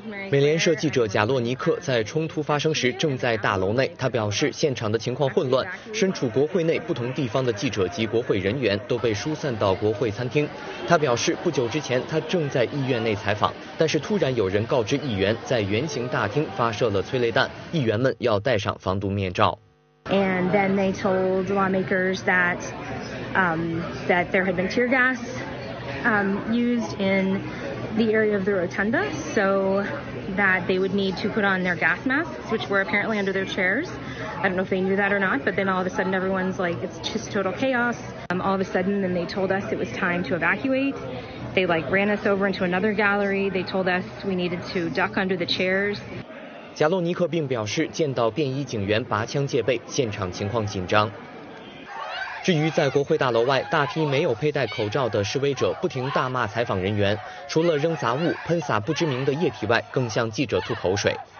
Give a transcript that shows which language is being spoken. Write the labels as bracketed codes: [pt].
[zh] 美联社记者贾洛尼克在冲突发生时正在大楼内，他表示现场的情况混乱，身处国会内不同地方的记者及国会人员都被疏散到国会餐厅。他表示不久之前他正在议院内采访，但是突然有人告知议员在圆形大厅发射了催泪弹，议员们要戴上防毒面罩。 [en] And then they told lawmakers that, that there had been tear gas, used in the area of the rotunda, so that they would need to put on their gas masks, which were apparently under their chairs. I don't know if they knew that or not, but then all of a sudden everyone's like, it's just total chaos. All of a sudden, then they told us it was time to evacuate. They like ran us over into another gallery. They told us we needed to duck under the chairs. [zh] 贾洛尼克并表示，见到便衣警员拔枪戒备，现场情况紧张。至于在国会大楼外，大批没有佩戴口罩的示威者不停大骂采访人员，除了扔杂物、喷洒不知名的液体外，更向记者吐口水。